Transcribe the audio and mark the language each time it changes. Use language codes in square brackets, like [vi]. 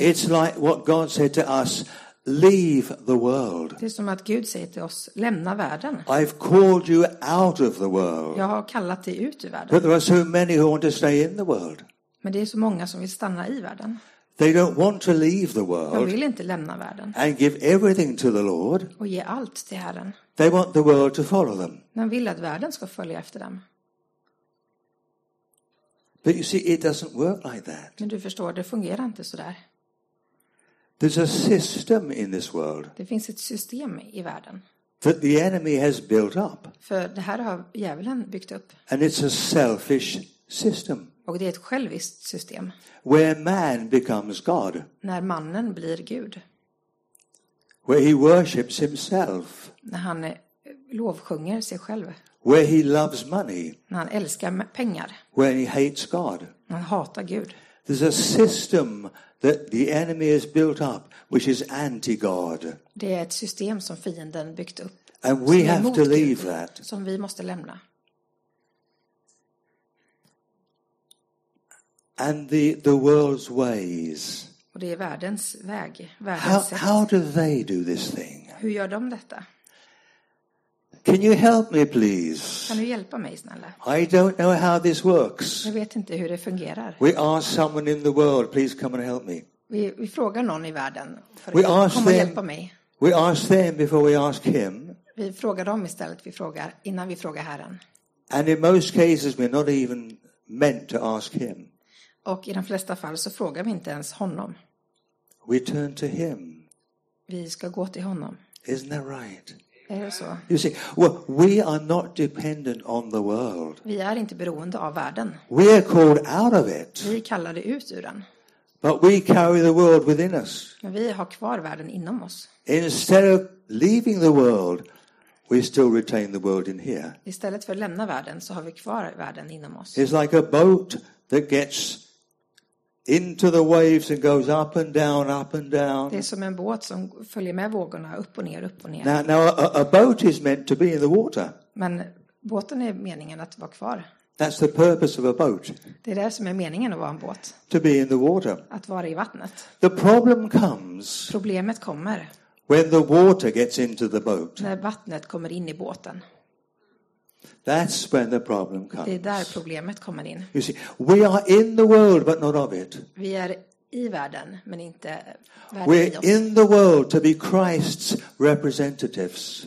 [en] It's like what God said to us, leave the world. [sv] Det är som att Gud säger till oss, lämna världen. [en] I've called you out of the world. [sv] Jag har kallat dig ut ur världen. [en] But there are so many who want to stay in the world. [sv] Men det är så många som vill stanna i världen. [en] They don't want to leave the world. [sv] De vill inte lämna världen. [en] And give everything to the Lord. [sv] Och ge allt till Herren. [en] They want the world to follow them. [sv] De vill att världen ska följa efter dem. [en] But you see, it doesn't work like that. [sv] Men du förstår, det fungerar inte så där. [en] There's a system in this world. [sv] Det finns ett system i världen. [en] That the enemy has built up. [sv] För det här har djävulen byggt upp. [en] And it's a selfish system. [sv] Och det är ett själviskt system. [en] Where man becomes God. [sv] När mannen blir Gud. [en] Where he worships himself. [sv] När han lovsjunger sig själv. [en] Where he loves money. [sv] När han älskar pengar. [en] Where he hates God. [sv] När han hatar Gud. [en] There's a system that the enemy has built up which is anti-God. [sv] Det är ett system som fienden byggt upp. [en] And we have to leave that. [sv] Som vi måste lämna. [en] And the world's ways. [sv] Och det är världens väg, världens sätt. [en] How do they do this thing? [sv] Hur gör de detta? [en] Can you help me please? [sv] Kan du hjälpa mig snälla? [en] I don't know how this works. [sv] Jag vet inte hur det fungerar. [en] We ask someone in the world, please come and help me. [sv] Vi frågar någon i världen för att komma och hjälpa mig. [en] We ask them before we ask him. [sv] Vi frågar dem istället, vi frågar innan vi frågar Herren. [en] And in most cases we're not even meant to ask him. [sv] Och i de flesta fall så frågar vi inte ens honom. [en] We turn to him. [sv] Vi ska gå till honom. [en] Isn't that right? [sv] Är det så? [en] You see, well, we are not dependent on the world. [sv] Vi är inte beroende av världen. [en] We are called out of it. [sv] Vi kallade ut ur den. [en] But we carry the world within us. [sv] Men vi har kvar världen inom oss. [en] Instead of leaving the world, we still retain the world in here. [sv] Istället för att lämna världen så har vi kvar världen inom oss. [en] It's like a boat that gets into the waves and goes up and down, up and down. [sv] Det är som en båt som följer med vågorna upp och ner, upp och ner. [en] Now a boat is meant to be in the water. [sv] Men båten är meningen att vara kvar. [en] That's the purpose of a boat. [sv] Det är det som är meningen att vara en båt. [en] To be in the water. [sv] Att vara i vattnet. [en] The problem comes. [sv] Problemet kommer. [en] When the water gets into the boat. [sv] När vattnet kommer in i båten. [en] That's when the problem comes. [sv] Det är där problemet kommer in. [en] You see, we are in the world but not of it. [sv] Vi är i världen men inte världen. [en] We're in the world to be Christ's representatives.